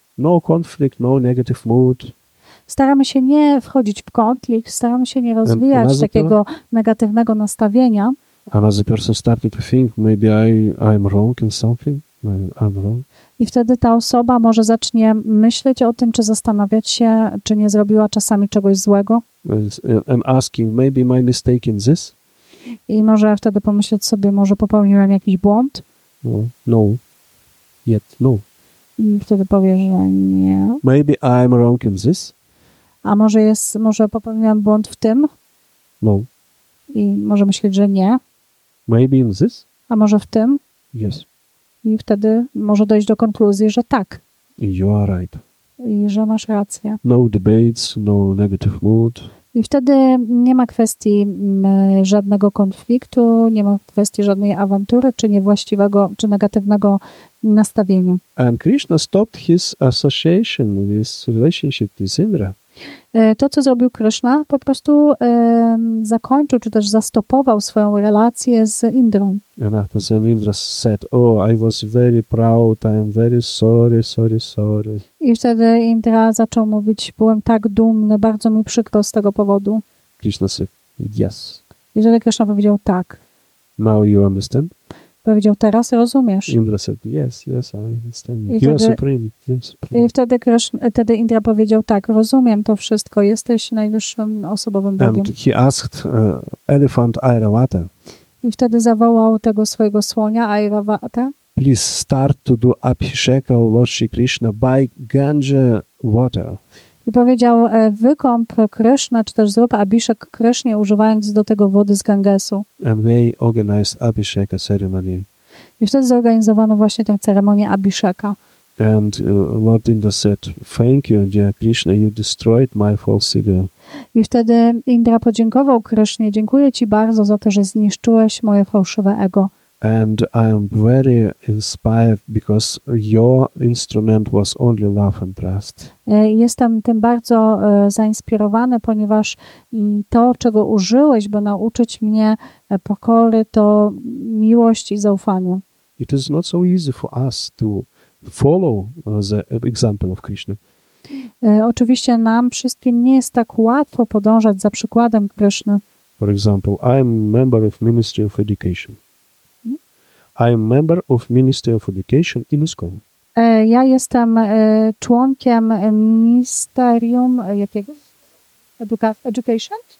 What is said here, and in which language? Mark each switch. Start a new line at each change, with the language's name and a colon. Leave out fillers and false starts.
English: No conflict, no negative mood.
Polish: Staramy się nie wchodzić w konflikt, staramy się nie rozwijać takiego negatywnego nastawienia.
English: Another person started to think, maybe I'm wrong in something. I'm wrong.
Polish: I wtedy ta osoba może zacznie myśleć o tym, czy zastanawiać się, czy nie zrobiła czasami czegoś złego.
English: I'm asking, maybe my mistake in this?
Polish: I może wtedy pomyśleć sobie, może popełniłem jakiś błąd?
English: No. Yet no.
Polish: Wtedy powie, że nie.
English: Maybe I'm wrong in this?
Polish: A może jest, może popełniłem błąd w tym?
English: No.
Polish: I może myśleć, że nie.
English: Maybe in this?
Polish: A może w tym?
English: Yes.
Polish: I wtedy może dojść do konkluzji, że tak.
English: You are right.
Polish: I że masz rację.
English: No debates, no negative mood.
Polish: I wtedy nie ma kwestii żadnego konfliktu, nie ma kwestii żadnej awantury, czy niewłaściwego, czy negatywnego nastawienia.
English: And Krishna stopped his association with relationship with Indra.
Polish: To, co zrobił Krishna, po prostu zakończył, czy też zastopował swoją relację z Indrą.
English: And after that Indra said, oh, I was very proud, I am very sorry, sorry, sorry.
Polish: I wtedy Indra zaczął mówić, byłem tak dumny, bardzo mi przykro z tego powodu.
English: Krishna said, yes.
Polish: I wtedy Krishna powiedział, tak.
English: Now you understand?
Polish: Powiedział, teraz rozumiesz.
English: Indra said, yes, yes, I understand. I you are supreme.
Polish: I wtedy, wtedy Indra powiedział, tak, rozumiem to wszystko, jesteś najwyższym osobowym Bogiem.
English: And he asked elephant Airavata.
Polish: I wtedy zawołał tego swojego słonia Airavata.
English: Please start to do abhisheka of Lord Shri Krishna by Ganga water.
Polish: I powiedział, wykąp Krishna, czy też zrób abhishek Krishnie, używając do tego wody z Gangesu.
English: And they organized abhisheka ceremony.
Polish: I wtedy zorganizowano właśnie tę ceremonię abhisheka.
English: And Lord Indra said, thank you, dear Krishna, you destroyed my false ego.
Polish: I wtedy Indra podziękował Krishnie, dziękuję ci bardzo za to, że zniszczyłeś moje fałszywe ego.
English: And I am very inspired because your instrument was only love and trust.
Polish: Jestem tym bardzo zainspirowany, ponieważ to, czego użyłeś, by nauczyć mnie pokory, to miłość i zaufanie.
English: It is not so easy for us to follow the example of Krishna.
Polish: Oczywiście nam wszystkim nie jest tak łatwo podążać za przykładem Krishny.
English: For example, I am member of Ministry of Education. I am member of Ministry of Education in ISKCON.
Polish: Ja jestem członkiem ministerium jakiego? Education?